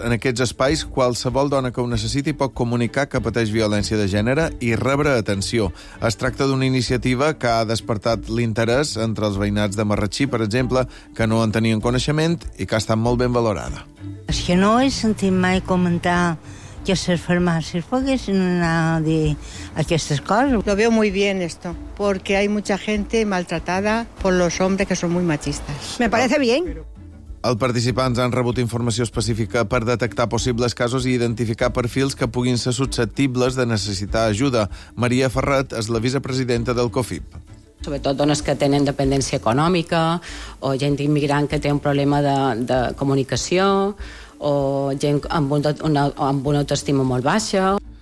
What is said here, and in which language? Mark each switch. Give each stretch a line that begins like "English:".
Catalan: En aquests espais, qualsevol dona que ho necessiti pot comunicar que pateix violència de gènere i rebre atenció. Es tracta d'una iniciativa que ha despertat l'interès entre els veïnats de Marratxí, per exemple, que no en tenien coneixement i que ha estat molt ben valorada. És que no he sentit mai comentar que ser farmàcies poguessin anar a dir aquestes coses.
Spanish: Lo veo muy bien esto, porque hay mucha gente maltratada por los hombres que son muy machistas. Me parece bien.
Catalan: Els participants han rebut informació específica per detectar possibles casos i identificar perfils que puguin ser susceptibles de necessitar ajuda. Maria Ferrat és la vicepresidenta del COFIP. sobretot dones que tenen dependència econòmica o gent immigrant que té un problema de comunicació o gent amb una autoestima molt baixa.